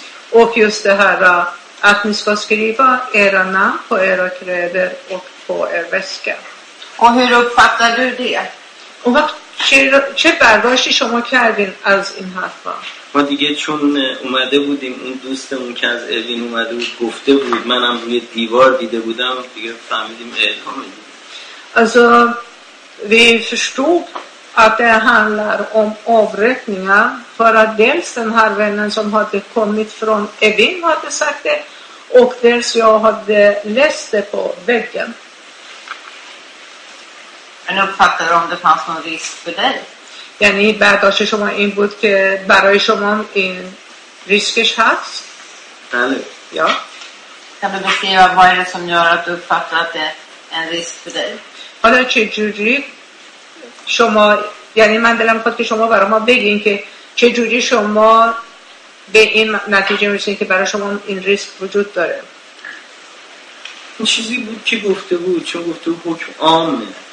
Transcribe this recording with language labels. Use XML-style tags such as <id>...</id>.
<sv>Och just det här att ni ska skriva era namn på era kläder och på er väska. Och hur uppfattar du det? Och vad</sv> <fa>چه برداشتی شما کردین از این حرفا؟ ما دیگه چون اومده بودیم اون دوستمون که از اروین اومده بود گفته بود منم روی دیوار دیده بودم دیگه فهمیدیم اعلام دیگه</fa> <sv>Alltså vi förstod att det handlar om avrättningar för att dels den här vännen som hade kommit från Evin hade sagt det och dels jag hade läst det på väggen. Men uppfattar om det fanns någon risk för dig?</sv> <fa>Yani برداشت شما این بود که برای شما این ریسکش هست؟ بله.</fa> <sv>Ja. Kan du beskriva vad är det som gör att du uppfattar att det är en risk för dig? Alltså</sv> <fa>چجوری شما یعنی من دلم خواست که شما برای ما بگین که چجوری شما به این نتیجه میرسین که برای شما این ریسک وجود داره؟ این چیزی بود که گفته بود چون گفته بود حکم عامه.</fa>